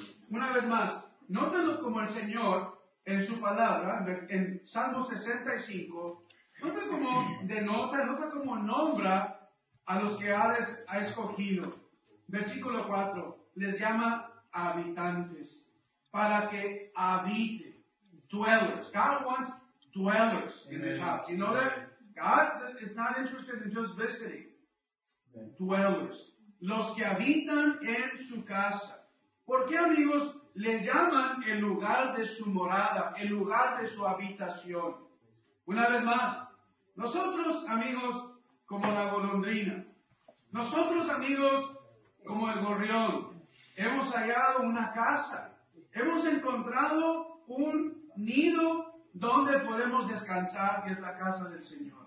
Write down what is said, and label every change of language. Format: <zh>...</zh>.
<es>Una vez más, nótalo como el Señor, en su palabra, en Salmo 65, nota como denota, nota como nombra a los que ha escogido. Versículo 4, les llama habitantes, para que habite,</es> <en>dwellers. God wants dwellers in this house. You know that? God is not interested in just visiting. Dwellers.</en> <es>Los que habitan en su casa. ¿Por qué, amigos, le llaman el lugar de su morada, el lugar de su habitación? Una vez más, nosotros, amigos, como la golondrina, nosotros, amigos, como el gorrión, hemos hallado una casa, hemos encontrado un nido donde podemos descansar, que es la casa del Señor.</es>